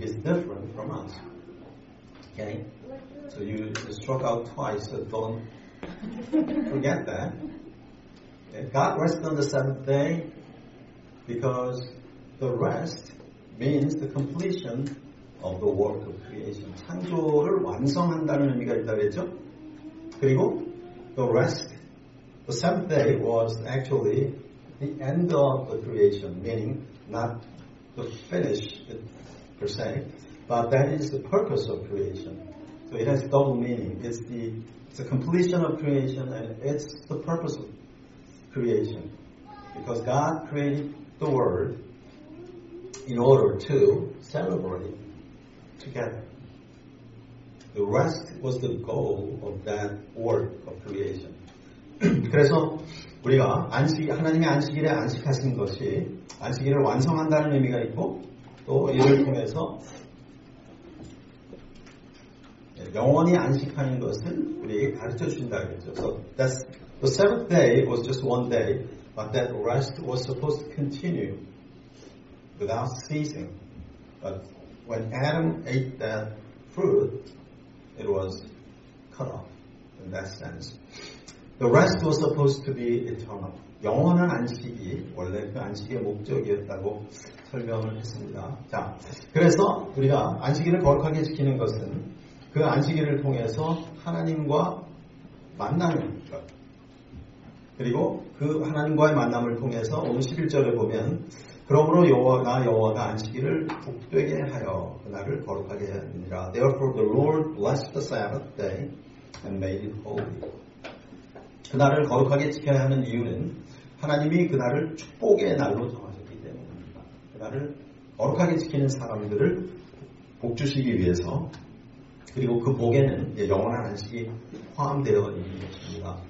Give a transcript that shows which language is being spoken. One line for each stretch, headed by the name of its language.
English: He's different from us. Okay? So you struck out twice, so don't forget that. Okay? God rested on the seventh day because the rest means the completion of the work of creation.
Korean: 창조를 완성한다는 의미가 있다고 했죠? 그리고
English: the rest, the seventh day was actually the end of the creation, meaning not the finish it per se, but that is the purpose of creation. So it has double meaning. It's the completion of creation and it's the purpose of creation. Because God created the world in order to celebrate together. The rest was the goal of that work of creation.
Korean: 그래서 우리가 안식, 하나님의 안식일에 안식하신 것이 안식일을 완성한다는 의미가 있고 또 이를 통해서 영원히 안식하는 것을 우리에게 가르쳐 준다 그랬죠.
English: So that's the seventh day was just one day, but that rest was supposed to continue without ceasing. But when Adam ate that fruit, it was cut off in that sense. The rest was supposed to be eternal.
Korean: 영원한 안식이 원래 그 안식의 목적이었다고 설명을 했습니다. 자, 그래서 우리가 안식일을 거룩하게 지키는 것은 그 안식일을 통해서 하나님과 만나는 것. 그리고 그 하나님과의 만남을 통해서 오늘 11절을 보면 그러므로 여호와가 여호와가 안식일을 복되게 하여 그날을 거룩하게 하느니라.
English: Therefore the Lord blessed the Sabbath day and made it holy.
Korean: 그날을 거룩하게 지켜야 하는 이유는 하나님이 그날을 축복의 날로 정하셨기 때문입니다. 그날을 거룩하게 지키는 사람들을 복 주시기 위해서 그리고 그 복에는 이제 영원한 안식이 포함되어 있는 것입니다.